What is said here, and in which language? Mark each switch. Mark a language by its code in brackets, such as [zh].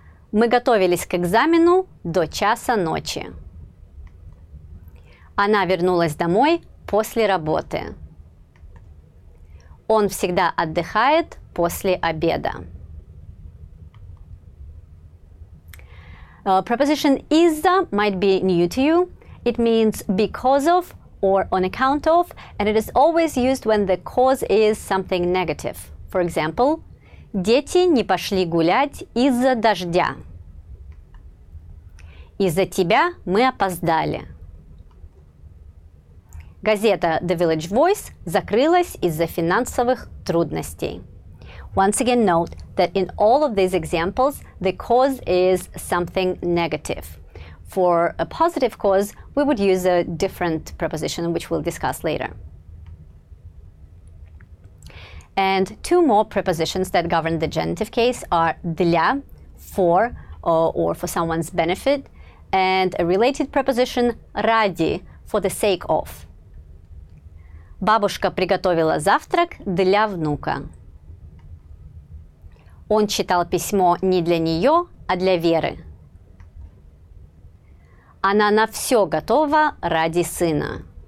[ru] Мы готовились к экзамену до часа ночи. Она вернулась домой после работы. Он всегда отдыхает после обеда. [en] Preposition из-за might be new to you. It means because of or on account of, and it is always used when the cause is something negative. For example, [ru] дети не пошли гулять из-за дождя. Из-за тебя мы опоздали. Газета The Village Voice закрылась из-за финансовых трудностей. [en] Once again, note that in all of these examples, the cause is something negative. For a positive cause, we would use a different preposition, which we'll discuss later. And two more prepositions that govern the genitive case are для, for, or for someone's benefit, and a related preposition ради, for the sake of. [ru] Бабушка приготовила завтрак для внука. Он читал письмо не для нее, а для Веры. Она на все готова ради сына.